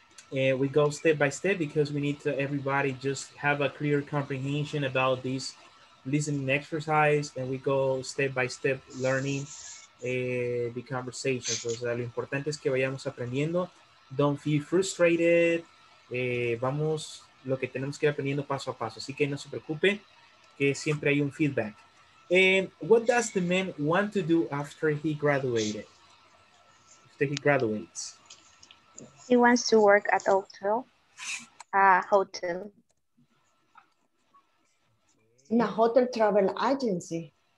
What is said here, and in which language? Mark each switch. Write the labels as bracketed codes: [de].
[en] We go step by step because we need to everybody just have a clear comprehension about this listening exercise, and we go step by step learning the conversations. [es] O sea, lo importante es que vayamos aprendiendo. [en] Don't feel frustrated. [es] Vamos, lo que tenemos que ir aprendiendo paso a paso, así que no se preocupe que siempre hay un feedback. [en] What does the man want to do after he graduated? After he graduates, he wants to work at a hotel. Hotel. In a hotel travel agency.